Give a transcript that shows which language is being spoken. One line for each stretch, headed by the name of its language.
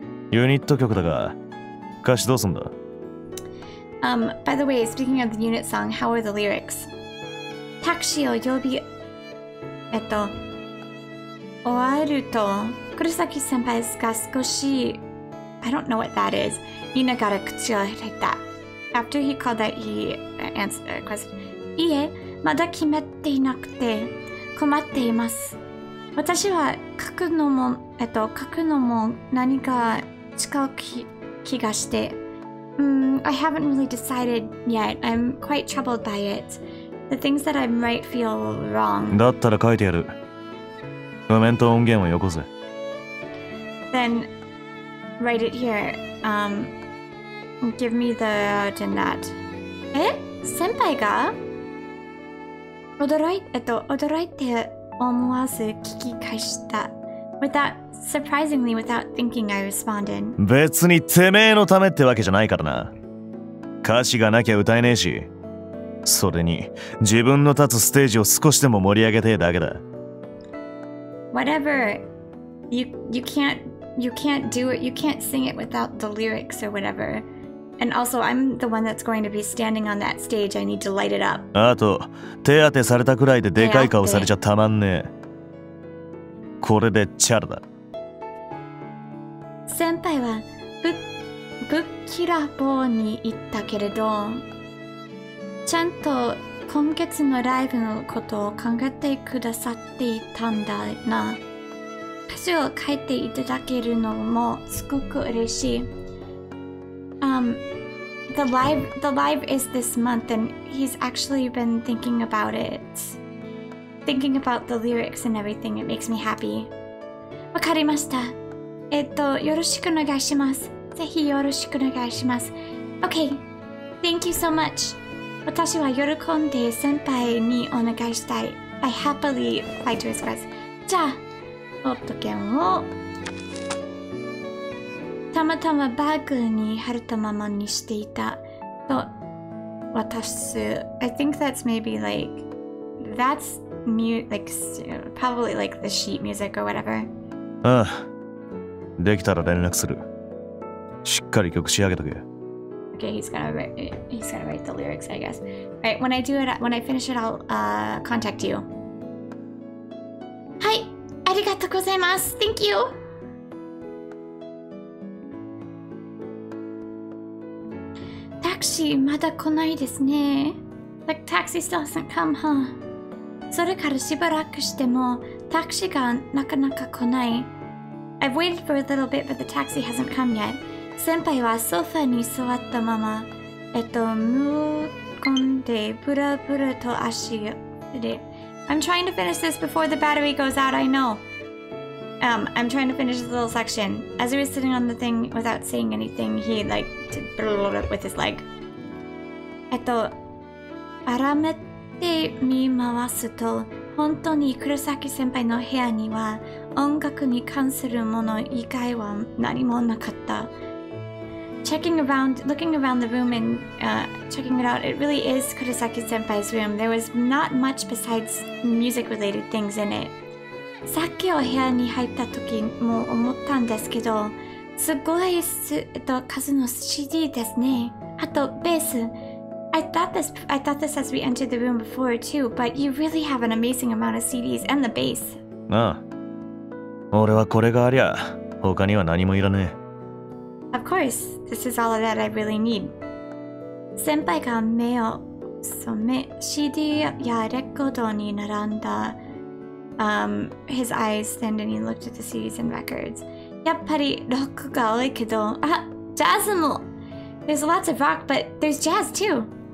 Japanese: ユニット曲だが、歌詞どうすんだ？
English: By the way, speaking of the unit song, how are the lyrics?
Japanese: タクシーを呼び、終わると、黒崎先輩が少し、
English: I don't know what that is.
Japanese: 言いながら口を開いた。
English: After he called that, he answered the question.
Japanese: いえ、まだ決めていなくて困っています。私は書くのも何か違う気がして。
English: I haven't really decided yet. I'm quite troubled by it. The things that I might feel wrong.
Japanese: だったら書いてやる。コメント音源をよこせ。
English: Then write it here. Give me the out and that.
Japanese: え？先輩が？驚いて。思わず聞き返した。
English: Surprisingly without thinking, I responded.
Japanese: 別にてめえのためってわけじゃないからな。歌詞がなきゃ歌えねえし。それに、自分の立つステージを少しでも盛り上げてえだけだ。
English: Whatever. You can't do it. You can't sing it without the lyrics or whatever. And also, I'm the one that's going to be standing on that stage. I need to light it up.
Japanese: あと、手当てされたくらいででかい顔されちゃたまんねえ。これでチャラだ。先輩はぶっきらぼうに言ったけれど、ちゃんと今月のライブのことを考えてくださっていたんだな。歌詞を書いていただけるのもすごく嬉しい。
English: The live is this month, and he's actually been thinking about it. Thinking about the lyrics and everything, it makes me happy.
Japanese: わかりました。よろしくお願いします。ぜひよろしくお願いします。
English: Okay, thank you so much.
Japanese: 私は喜んで先輩にお願いしたい。
English: I happily fly to his request.
Japanese: じゃあ、ポッドキャンを。たまたまバッグに貼ったままにしていたと渡す。
English: I think that's maybe like that's mu like probably like the sheet music or whatever.
Japanese: ああ、できたら連絡する。しっかり曲仕上げとけ。
English: Okay, he's gonna write the lyrics, I guess. Right, when I finish it, I'll contact you.
Japanese: はい、ありがとうございます。
English: Thank you.
Japanese: タクシーまだ来ないですね。
English: Like, taxi still hasn't come, huh?
Japanese: それからしばらくしても、タクシーがなかなか来ない。
English: I've waited for a little bit, but the taxi hasn't come yet.
Japanese: 先輩はソファに座ったまま、無言でブラブラと足で。
English: I'm trying to finish this before the battery goes out, I know. I'm trying to finish this little section. As he was sitting on the thing without saying anything, he, like, did with his leg.
Japanese: あらめて見回すと、本当に黒崎先輩の部屋には音楽に関するもの以外は何もなかった。
English: Checking around, looking around the room and checking it out, it really is Kurosaki Senpai's room. There was not much besides music-related things in it.
Japanese: さっきお部屋に入った時も思ったんですけど、すごい数の CD ですね。あとベース。
English: I thought this as we entered the room before too, but you really have an amazing amount of CDs and the bass.
Japanese: ああ。俺はこれがありゃ、他には何もいらねえ。
English: Of course, this is all of that I really need.
Japanese: 先輩が目を染め、CD やレコードに並んだ。
English: His eyes thinned and he looked at the CDs and records.
Japanese: やっぱりロックが多いけど、あ、ジャズも。
English: There's lots of rock, but there's jazz too.